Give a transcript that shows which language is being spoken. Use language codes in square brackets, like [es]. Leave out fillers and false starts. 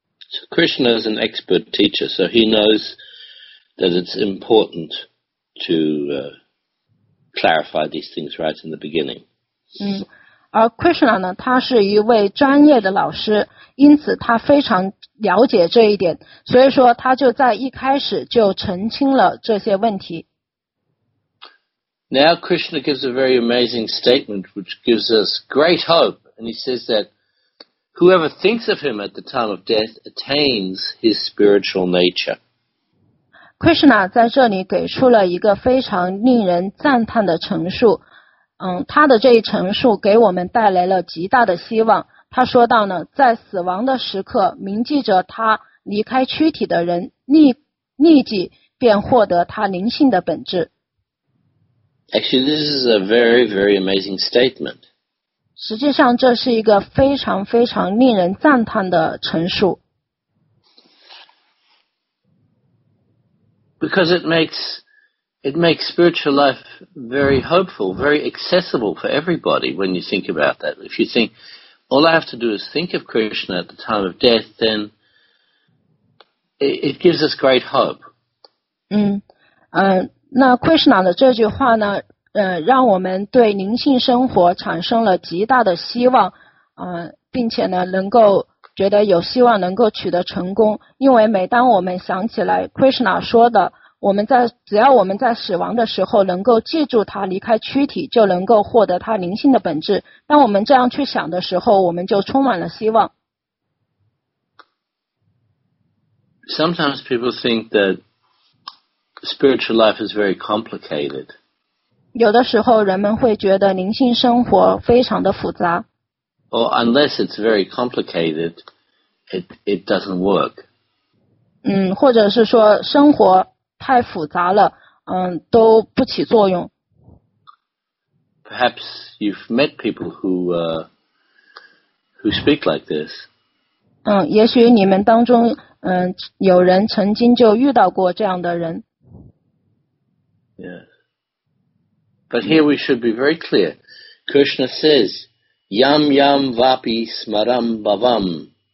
[en] So Krishna is an expert teacher, so he knows that it's important to clarify these things right in the beginning. [zh] 而 Krishna 呢，他是一位专业的老师，因此他非常了解这一点，所以说他就在一开始就澄清了这些问题。 [en] Now Krishna gives a very amazing statement which gives us great hope, and he says that whoever thinks of him at the time of death attains his spiritual nature. [zh] Krishna 在这里给出了一个非常令人赞叹的陈述，他的这一陈述给我们带来了极大的希望。他说到呢，在死亡的时刻，铭记着他离开躯体的人立即便获得他灵性的本质。 [en] Actually, this is a very, very amazing statement. [zh] 实际上这是一个非常非常令人赞叹的陈述。 [en] Because it makes spiritual life very hopeful, very accessible for everybody when you think about that. If you think, all I have to do is think of Krishna at the time of death, then it gives us great hope. [zh] 那 Krishna 的这句话呢，让我们对灵性生活产生了极大的希望，并且呢，能够觉得有希望能够取得成功。因为每当我们想起来 Krishna 说的，只要我们在死亡的时候能够记住他离开躯体，就能够获得他灵性的本质。当我们这样去想的时候，我们就充满了希望。 [en] Sometimes people think that. Spiritual life is very complicated. [zh] 有的时候人们会觉得灵性生活非常的复杂。 [en] Or unless it's very complicated, it doesn't work. [zh] 或者是说生活太复杂了，都不起作用。 [en] Perhaps you've met people who speak like this. [zh] 也许你们当中，有人曾经就遇到过这样的人。 [en] Yes. But here we should be very clear. Krishna says, [sa] Yam Yam Vapi Smaram Bhavam.